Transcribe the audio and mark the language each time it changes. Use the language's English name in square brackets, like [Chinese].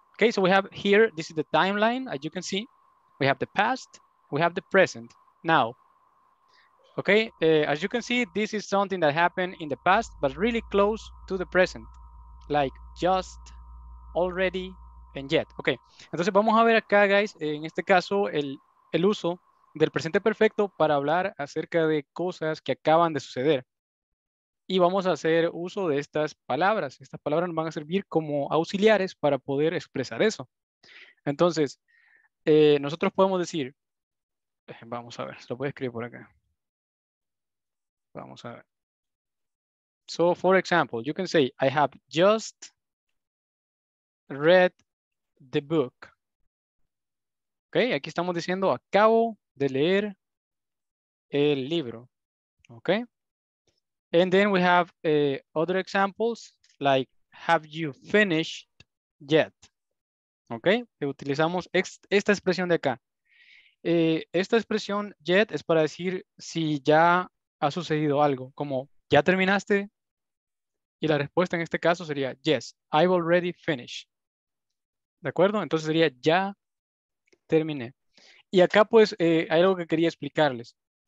[English] Okay, so we have here, this is the timeline, as you can see. We have the past, we have the present, now. Okay, as you can see, this is something that happened in the past, but really close to the present, like just, already, and yet. Okay, [Spanish] entonces vamos a ver acá, [English] guys, [Spanish] en este caso, el, el uso del presente perfecto para hablar acerca de cosas que acaban de suceder. Y vamos a hacer uso de estas palabras. Estas palabras nos van a servir como auxiliares para poder expresar eso. Entonces, nosotros podemos decir, vamos a ver, se lo puede escribir por acá. Vamos a ver. [English] So, for example, you can say, I have just read the book. [Spanish] Ok, aquí estamos diciendo, acabo de leer el libro. Ok. [English] And then we have other examples, like, have you finished yet? [Spanish] Ok, utilizamos esta expresión de acá. Esta expresión yet es para decir si ya ha sucedido algo, como ya terminaste. Y la respuesta en este caso sería, [English] yes, I've already finished. [Spanish] ¿De acuerdo? Entonces sería, ya terminé. Y acá pues hay algo que quería explicarles.